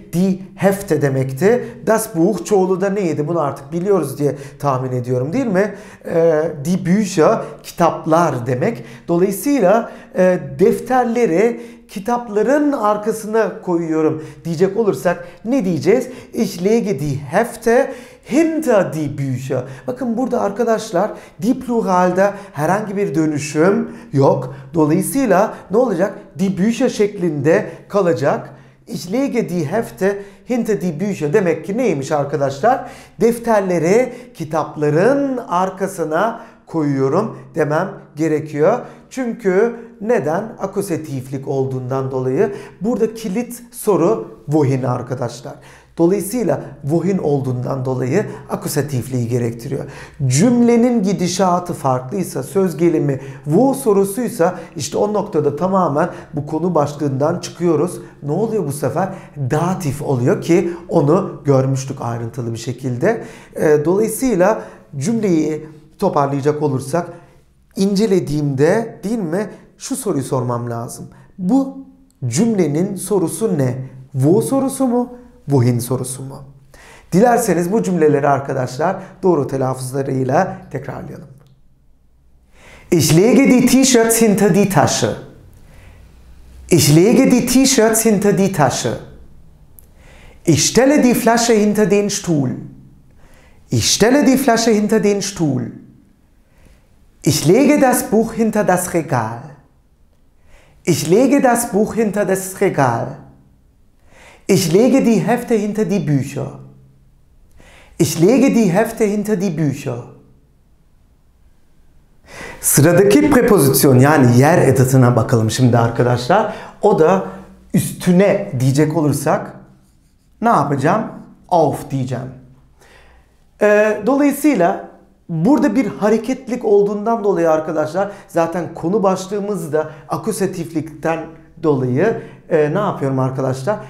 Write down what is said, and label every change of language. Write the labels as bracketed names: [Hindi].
[German] Die Hefte [Turkish] demekti. [German] Das Buch [Turkish] çoğulu da neydi? Bunu artık biliyoruz diye tahmin ediyorum değil mi? [German] Die Bücher [Turkish] kitaplar demek. Dolayısıyla defterleri kitapların arkasına koyuyorum diyecek olursak ne diyeceğiz? [German] Ich lege die Hefte hinter die Bücher. [Turkish] Bakın burada arkadaşlar die pluralde herhangi bir dönüşüm yok. Dolayısıyla ne olacak? [German] Die Bücher [Turkish] şeklinde kalacak. [German] Ich lege die Hefte hinter die Bücher. [Turkish] Demek ki neymiş arkadaşlar? Defterleri kitapların arkasına koyuyorum demem gerekiyor. Çünkü neden? Akusatiflik olduğundan dolayı. Burada kilit soru wohin arkadaşlar. Dolayısıyla wohin olduğundan dolayı akusatifliği gerektiriyor. Cümlenin gidişatı farklıysa, söz gelimi wo sorusuysa işte o noktada tamamen bu konu başlığından çıkıyoruz. Ne oluyor bu sefer? Datif oluyor ki onu görmüştük ayrıntılı bir şekilde. Dolayısıyla cümleyi toparlayacak olursak incelediğimde değil mi şu soruyu sormam lazım. Bu cümlenin sorusu ne? Wo sorusu mu? Wohin sorusu mu? Dilerseniz bu cümleleri arkadaşlar doğru telaffuzlarıyla tekrarlayalım. [German] Ich lege die T-Shirts hinter die Tasche. Ich lege die T-Shirts hinter die Tasche. Ich stelle die Flasche hinter den Stuhl. Ich stelle die Flasche hinter den Stuhl. Ich lege das Buch hinter das Regal. Ich lege das Buch hinter das Regal. Ich lege die Hefte hinter die Bücher. Ich lege die Hefte hinter die Bücher. [Turkish] Sıradaki preposition yani yer edatına bakalım şimdi arkadaşlar. O da üstüne diyecek olursak ne yapacağım? Auf diyeceğim. Dolayısıyla burada bir hareketlik olduğundan dolayı arkadaşlar zaten konu başlığımız da akusatiflikten dolayı ne yapıyorum arkadaşlar?